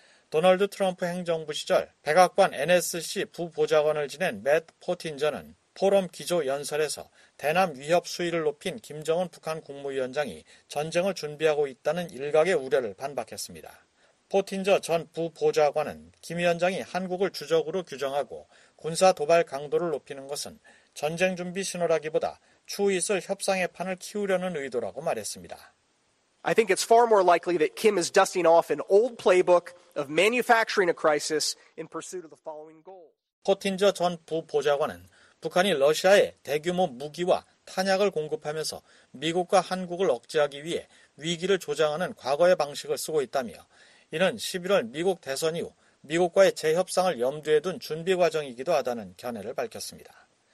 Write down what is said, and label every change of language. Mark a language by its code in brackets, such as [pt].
[ko] 도널드 트럼프 행정부 시절 백악관 NSC 부보좌관을 지낸 맷 포틴저는 포럼 기조 연설에서 대남 위협 수위를 높인 김정은 북한 국무위원장이 전쟁을 준비하고 있다는 일각의 우려를 반박했습니다. 포틴저 전 부보좌관은 김 위원장이 한국을 주적으로 규정하고 군사 도발 강도를 높이는 것은 전쟁 준비 신호라기보다 추후 있을 협상의 판을 키우려는 의도라고 말했습니다. [en] I think it's far more likely that Kim is dusting off an old playbook of manufacturing a crisis in pursuit of the following goal. [ko] 포틴저 전 부보좌관은 북한이 러시아에 대규모 무기와 탄약을 공급하면서 미국과 한국을 억제하기 위해 위기를 조장하는 과거의 방식을 쓰고 있다며 이는 11월 미국 대선 이후 미국과의 재협상을 염두에 둔 준비 과정이기도 하다는 견해를 밝혔습니다.